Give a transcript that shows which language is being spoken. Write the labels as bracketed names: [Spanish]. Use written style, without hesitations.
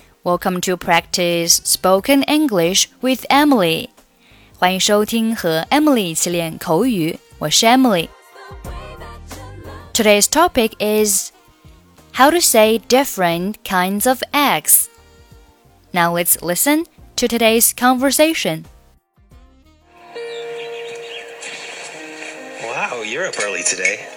[English] Welcome to practice spoken English with Emily. [Chinese] 欢迎收听和 Emily 一起练口语。我是 Emily. [English] Today's topic is how to say different kinds of eggs. Now let's listen to today's conversation. Wow, you're up early today.